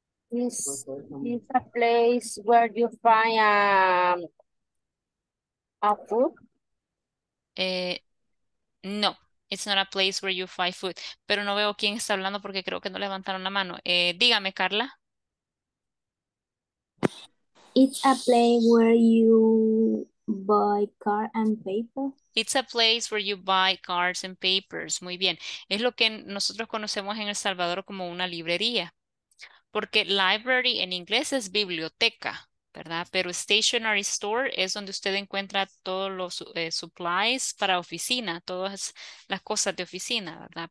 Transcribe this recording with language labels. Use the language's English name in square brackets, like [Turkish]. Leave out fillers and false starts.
[English] It's a place where you find a food. No, it's not a place where you find food. [Spanish] Pero no veo quién está hablando porque creo que no levantaron la mano. Dígame, Carla. [English] It's a place where you buy cards and papers? It's a place where you buy cards and papers. [Spanish] Muy bien. Es lo que nosotros conocemos en El Salvador como una librería. Porque library en inglés es biblioteca, ¿verdad? Pero stationery store es donde usted encuentra todos los supplies para oficina, todas las cosas de oficina, ¿verdad?